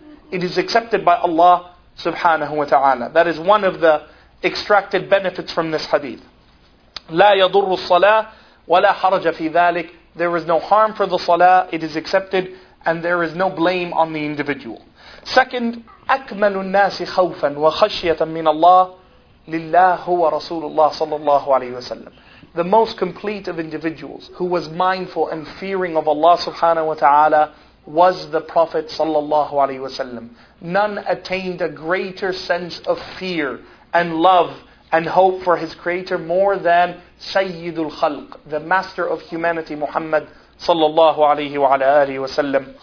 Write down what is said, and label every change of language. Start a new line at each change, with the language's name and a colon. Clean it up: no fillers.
English: It is accepted by Allah subhanahu wa ta'ala. That is one of the extracted benefits from this hadith.
Arabic: لا يضر الصلاة ولا حرج في ذلك.
English: There is no harm for the salah, it is accepted, and there is no blame on the individual. Second,
Arabic: أكمل الناس خوفا وخشية من الله لله هو رسول الله صلى الله عليه وسلم.
English: The most complete of individuals who was mindful and fearing of Allah subhanahu wa ta'ala was the Prophet صلى الله عليه وسلم. None attained a greater sense of fear and love and hope for his creator more than Sayyidul Khalq, the master of humanity, Muhammad sallallahu alayhi wa alayhi wa sallam.